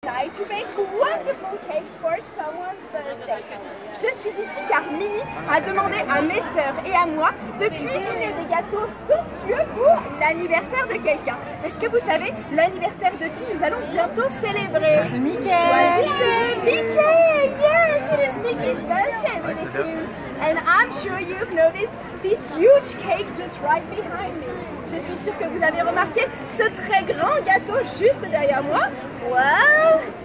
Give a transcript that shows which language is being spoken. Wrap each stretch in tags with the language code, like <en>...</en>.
<en>Try to make wonderful cakes for someone's birthday.</en> <fr>Je suis ici car Mimi a demandé à mes sœurs et à moi de cuisiner des gâteaux somptueux pour l'anniversaire de quelqu'un. Est-ce que vous savez l'anniversaire de qui nous allons bientôt célébrer? Mickey! Mickey!</fr> <en>Yes, it is Mickey's birthday really soon. And I'm sure you've noticed this huge cake just right behind me.</en> <fr>Je suis sûre que vous avez remarqué ce très grand gâteau juste derrière moi. Wow!</fr>